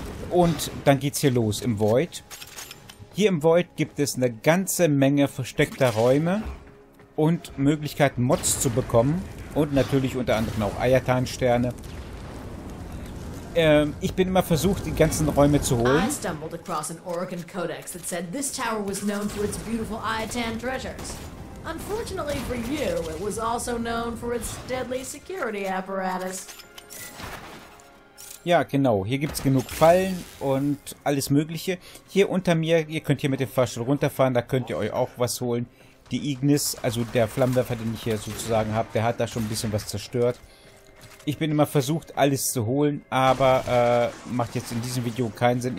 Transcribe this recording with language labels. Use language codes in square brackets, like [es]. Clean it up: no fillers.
[de] Und dann geht's hier los im Void. Hier im Void gibt es eine ganze Menge versteckter Räume und Möglichkeiten, Mods zu bekommen. Und natürlich unter anderem auch Ayatan-Sterne. Ich bin immer versucht, die ganzen Räume zu holen. [en] I stumbled across an Orican Codex that said this tower was known for its beautiful Ayatan treasures. Unfortunately for you, it was also known for its deadly security apparatus. [de] Ja, genau. Hier gibt's genug Fallen und alles Mögliche. Hier unter mir, ihr könnt hier mit dem Fahrstuhl runterfahren, da könnt ihr euch auch was holen. Die Ignis, also der Flammenwerfer, den ich hier sozusagen habe, der hat da schon ein bisschen was zerstört. Ich bin immer versucht, alles zu holen, aber macht jetzt in diesem Video keinen Sinn.